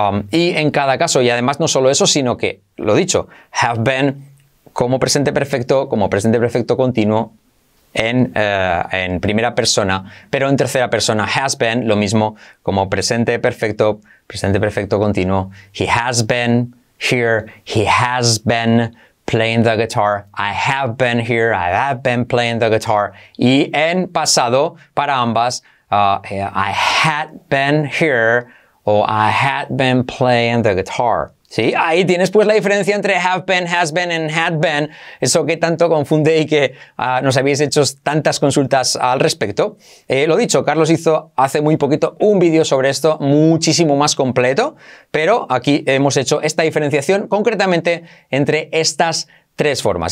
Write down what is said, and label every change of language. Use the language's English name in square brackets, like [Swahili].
[Spanish] Y en cada caso, y además no solo eso, sino que, lo dicho, [English] have been [Spanish] como presente perfecto continuo, en primera persona, pero en tercera persona, [English] has been, [Spanish] lo mismo como presente perfecto continuo. [English] He has been here, he has been playing the guitar, I have been here, I have been playing the guitar. [Spanish] Y en pasado, para ambas, [English] I had been here, o I had been playing the guitar. [Spanish] ¿Sí? Ahí tienes pues la diferencia entre [English] have been, has been and had been. [Spanish] Eso que tanto confunde y que nos habéis hecho tantas consultas al respecto. Lo dicho, Carlos hizo hace muy poquito un vídeo sobre esto muchísimo más completo. Pero aquí hemos hecho esta diferenciación concretamente entre estas tres formas.